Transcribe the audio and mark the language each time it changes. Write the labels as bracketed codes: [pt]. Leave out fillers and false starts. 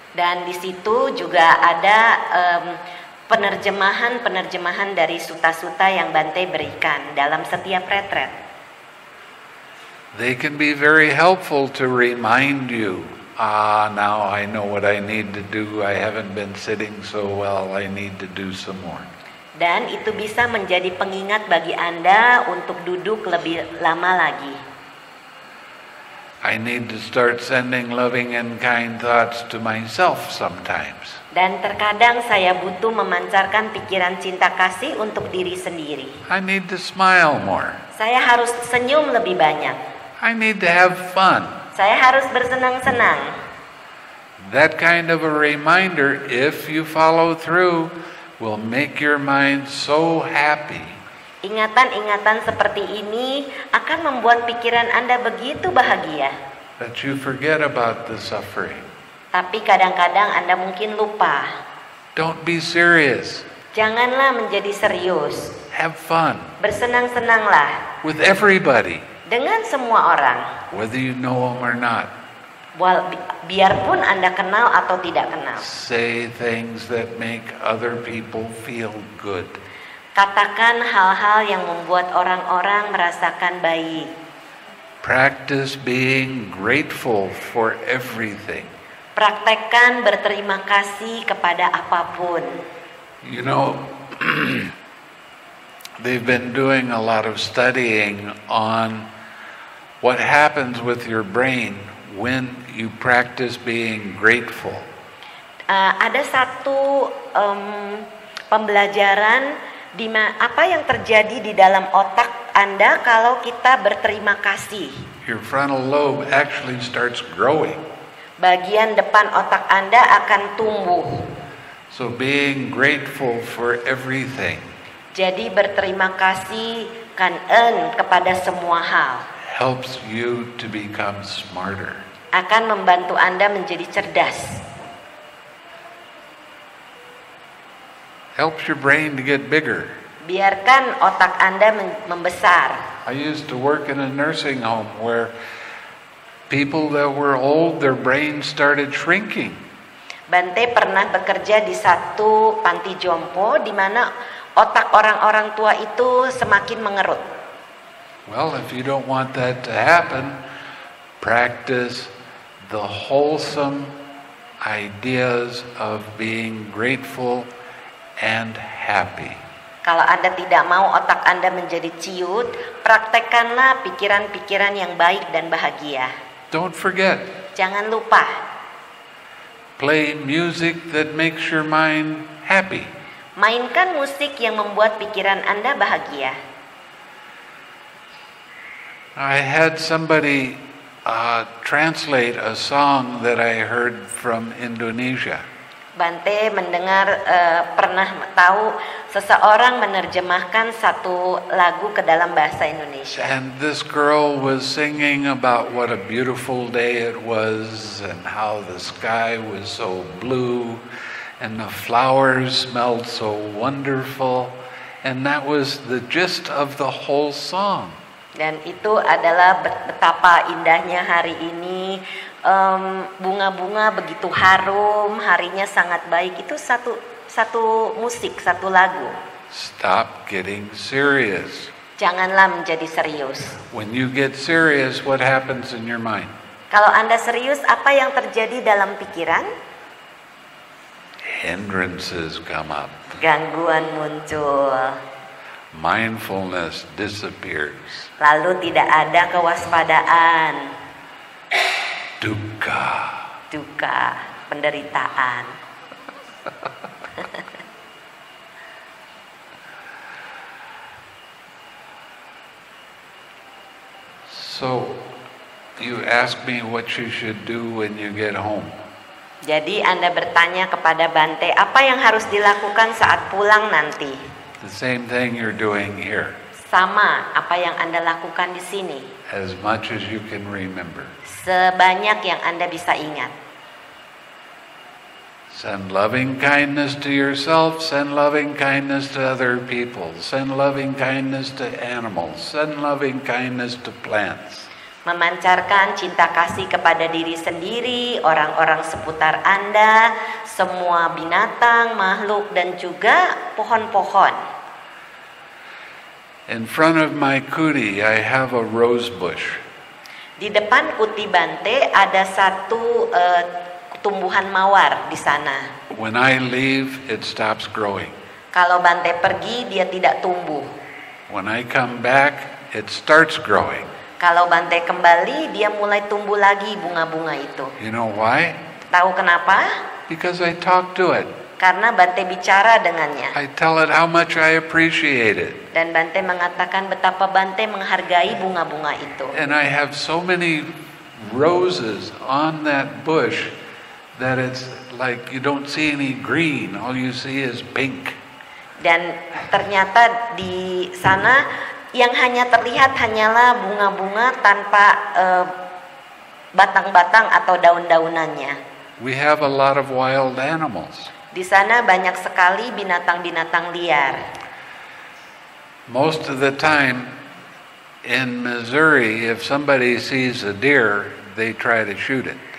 [id] Dan di situ juga ada penerjemahan-penerjemahan dari suta-suta yang Bante berikan dalam setiap retret. [en] They can be very helpful to remind you. Ah, now I know what I need to do. I haven't been sitting so well. I need to do some more. [id] Dan itu bisa menjadi pengingat bagi Anda untuk duduk lebih lama lagi. [en] I need to start sending loving and kind thoughts to myself sometimes. [id] Dan terkadang saya butuh memancarkan pikiran cinta kasih untuk diri sendiri. [en] I need to smile more. [id] Saya harus senyum lebih banyak. [en] I need to have fun. [id] Saya harus bersenang-senang. [en] That kind of a reminder, if you follow through, will make your mind so happy. [id] Ingatan-ingatan seperti ini akan membuat pikiran Anda begitu bahagia. [en] That you forget about the suffering. [id] Tapi kadang-kadang Anda mungkin lupa. [en] Don't be serious. [id] Janganlah menjadi serius. [en] Have fun. [id] Bersenang-senanglah. [en] With everybody. [id] Dengan semua orang. [en] Whether you know them or not. [id] Well, biarpun Anda kenal atau tidak kenal. [en] Say things that make other people feel good. [id] Katakan hal-hal yang membuat orang-orang merasakan baik. [en] Practice being grateful for everything. [id] Praktekkan berterima kasih kepada apapun. [en] You know, they've been doing a lot of studying on what happens with your brain when you practice being grateful. [id] Ada satu pembelajaran di apa yang terjadi di dalam otak Anda kalau kita berterima kasih. [en] Your frontal lobe actually starts growing. [id] Bagian depan otak Anda akan tumbuh. [en] So being grateful for everything. [id] Jadi berterima kasih kan kepada semua hal. [en] Helps you to become smarter. [id] Akan membantu Anda menjadi cerdas. [en] Helps your brain to get bigger. [id] Biarkan otak Anda membesar. [en] I used to work in a nursing home where people that were old, their brains started shrinking. [id] Bante pernah bekerja di satu panti jompo di mana otak orang-orang tua itu semakin mengerut. [en] Well, if you don't want that to happen, practice the wholesome ideas of being grateful and happy. [id] Kalau Anda tidak mau otak Anda menjadi ciut, praktekkanlah pikiran-pikiran yang baik dan bahagia. [en] Don't forget. [id] Jangan lupa. [en] Play music that makes your mind happy. [id] Mainkan musik yang membuat pikiran Anda bahagia. [en] I had somebody translate a song that I heard from Indonesia. [id] Bante mendengar pernah tahu seseorang menerjemahkan satu lagu ke dalam bahasa Indonesia. [en] And this girl was singing about what a beautiful day it was and how the sky was so blue and the flowers smelled so wonderful, and that was the gist of the whole song. [id] Dan itu adalah betapa indahnya hari ini. Bunga-bunga begitu harum, harinya sangat baik. Itu satu musik, satu lagu. [en] Stop getting serious. [id] Janganlah menjadi serius. [en] When you get serious, what happens in your mind? [id] Kalau Anda serius, apa yang terjadi dalam pikiran? [en] Hindrances come up. [id] Gangguan muncul. [en] Mindfulness disappears. [id] Lalu tidak ada kewaspadaan. [pi] Dukkha. [id] Dukkha, penderitaan. [en] So, you ask me what you should do when you get home. [id] Jadi Anda bertanya kepada Bante, apa yang harus dilakukan saat pulang nanti? [en] The same thing you're doing here. [id] Sama apa yang Anda lakukan di sini. [en] As much as you can remember. [id] Sebanyak yang Anda bisa ingat. [en] Send loving kindness to yourself, send loving kindness to other people, send loving kindness to animals, send loving kindness to plants. [id] Memancarkan cinta kasih kepada diri sendiri, orang-orang seputar Anda, semua binatang, makhluk, dan juga pohon-pohon. [en] In front of my kuti, I have a rose bush. [id] Di depan kuti Bante ada satu tumbuhan mawar di sana. [en] When I leave, it stops growing. [id] Kalau Bante pergi, dia tidak tumbuh. [en] When I come back, it starts growing. [id] Kalau Bante kembali, dia mulai tumbuh lagi bunga-bunga itu. [en] You know why? [id] Tahu kenapa? [en] Because I talk to it. [id] Karena Bante bicara dengannya. [en] I tell it how much I appreciate it. [id] Dan Bante mengatakan betapa Bante menghargai bunga-bunga itu. [en] And I have so many roses on that bush that it's like you don't see any green, all you see is pink. [id] Dan ternyata di sana yang hanya terlihat hanyalah bunga-bunga tanpa batang-batang atau daun-daunannya. [en] We have a lot of wild animals. [id] Di sana banyak sekali binatang-binatang liar. [en] Most of the time in Missouri, if somebody sees a deer, they try to shoot it.